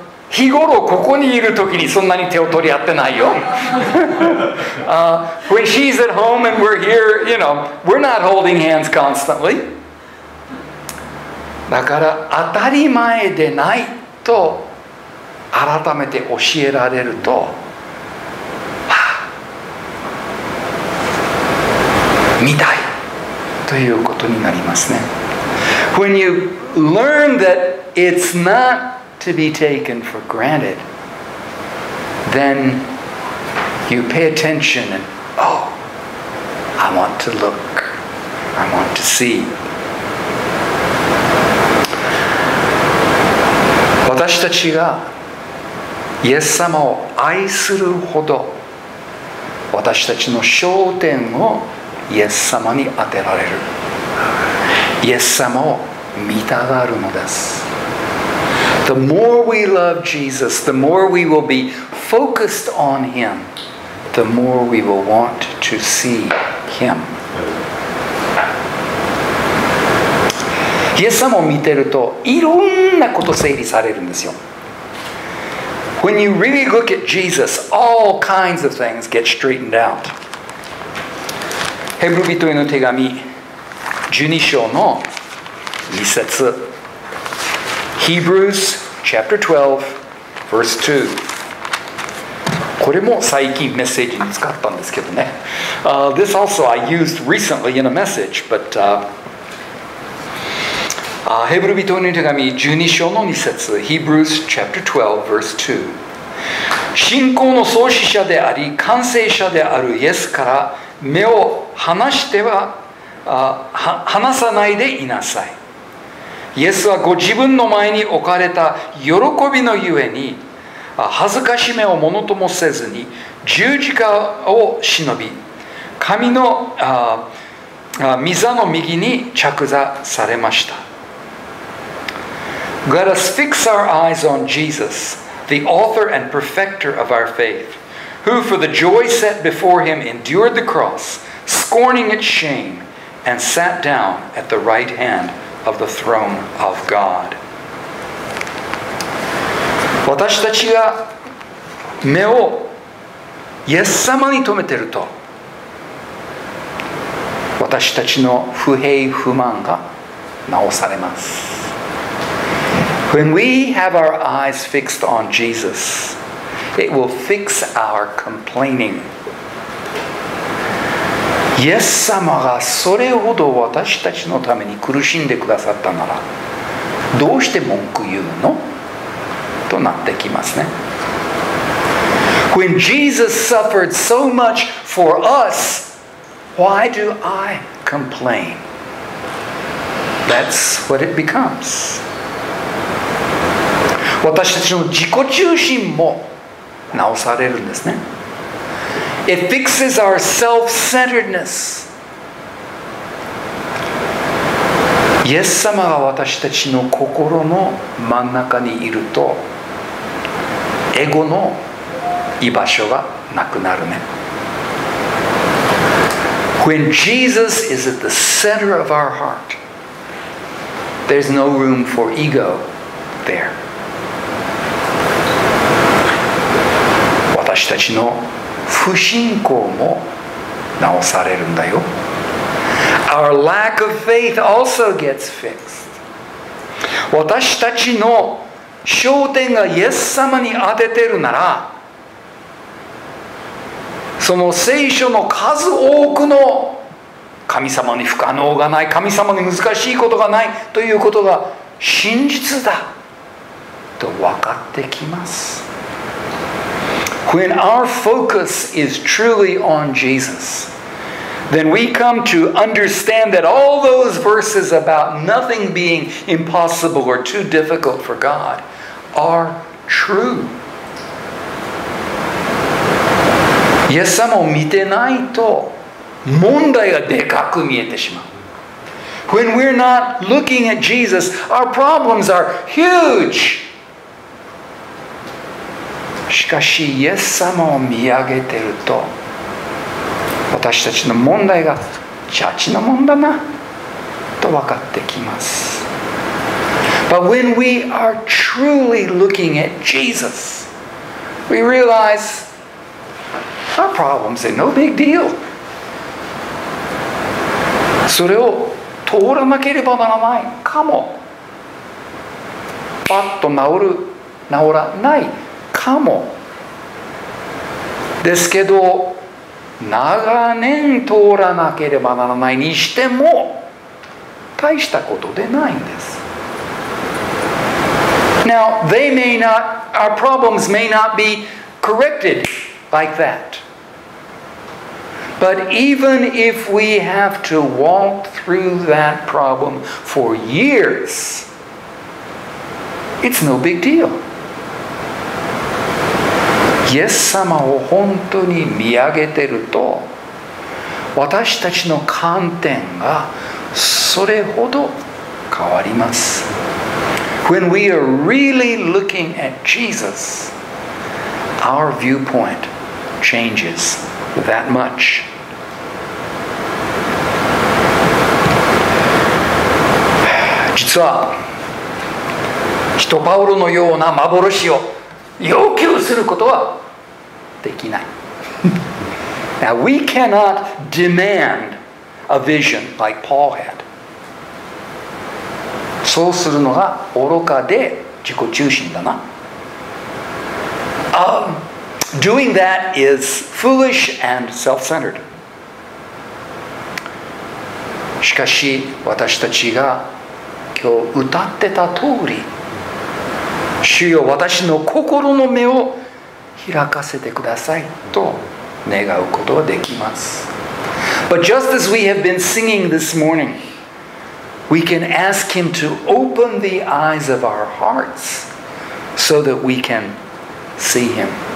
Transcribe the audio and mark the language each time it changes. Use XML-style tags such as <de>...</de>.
<ja>日頃ここにいるときにそんなに手を取り合ってないよ。</ja> <en>When she's at home and we're here, you know, we're not holding hands constantly.</en> <ja>だから当たり前でないと改めて教えられると、見たいということになりますね。</ja> <en>When you learn that it's not to be taken for granted, then you pay attention and, oh, I want to look, I want to see.</en> <ja>私たちがイエス様を愛するほど私たちの焦点をイエス様に当てられる、イエス様を見たがるのです。</ja> <en>The more we love Jesus, the more we will be focused on Him, the more we will want to see Him.</en> <ja>イエス様を見てるといろんなこと整理されるんですよ。</ja> <en>When you really look at Jesus, all kinds of things get straightened out.</en> <ja>ヘブル人への手紙12章の2節。</ja> <en>Hebrews chapter 12 verse 2。</en> <ja>これも最近メッセージに使ったんですけどね。</ja> <en>This also I used recently in a message, but</en> <ja>ヘブル人への手紙12章の2節。</ja> <en>Hebrews chapter 12 verse 2。</en> <ja>信仰の創始者であり完成者であるイエスから目を離しては、離さないでいなさい。イエスはご自分の前に置かれた喜びのゆえに恥ずかしめをものともせずに十字架を忍び神の御座の右に着座されました。</ja> <en>Let us fix our eyes on Jesus, the author and perfecter of our faith, who for the joy set before him endured the cross, scorning its shame, and sat down at the right handOf the throne of God.</en> <ja>私たちが目をイエス様に留めていると私たちの不平不満が直されます。</ja> <en>When we have our eyes fixed on Jesus, it will fix our complaining.</en> <ja>イエス様がそれほど私たちのために苦しんでくださったならどうして文句言うの? となってきますね。</ja> <en>When Jesus suffered so much for us, why do I complain? That's what it becomes.</en> <ja>私たちの自己中心も直されるんですね。</ja> <en>It fixes our self-centeredness.</en> <ja>イエス様が私たちの心の真ん中にいると、エゴの居場所がなくなるね。</ja> <en>When Jesus is at the center of our heart, there's no room for ego there.</en> <ja>私たちの不信仰も直されるんだよ。</ja> <en>Our lack of faith also gets fixed.</en> <ja>私たちの焦点がイエス様に当ててるならその聖書の数多くの神様に不可能がない、神様に難しいことがないということが真実だと分かってきます。</ja> <en>When our focus is truly on Jesus, then we come to understand that all those verses about nothing being impossible or too difficult for God are true.</en> <ja>イエス様を見てないと問題がでかく見えてしまう。</ja> <en>When we're not looking at Jesus, our problems are huge.</en> <ja>しかしイエス様を見上げてると私たちの問題がチャチのもんだなと分かってきます。</ja> <en>But when we are truly looking at Jesus, we realize our problems are no big deal.</en> <ja>それを通らなければならないかも、パッと治る治らないかもですけど、長年通らなければならないにしても大したことでないんです。</ja> <en>Now they may not, our problems may not be corrected like that, but even if we have to walk through that problem for years, It's no big deal.</en> <ja>イエス様を本当に見上げてると、私たちの観点がそれほど変わります。</ja> <en>When we are really looking at Jesus, our viewpoint changes that much.</en> <ja>実は、使徒パウロのような幻を要求することはできない。</ja> <en>Now we cannot demand a vision like Paul had.</en> <ja>そうするのが愚かで自己中心だな。</ja> <en>Doing that is foolish and self-centered.</en> <ja>しかし私たちが今日歌ってた通り、主よ私の心の目を開かせてくださいと願うことはできます。</ja> <en>But just as we have been singing this morning, we can ask Him to open the eyes of our hearts so that we can see Him.</en>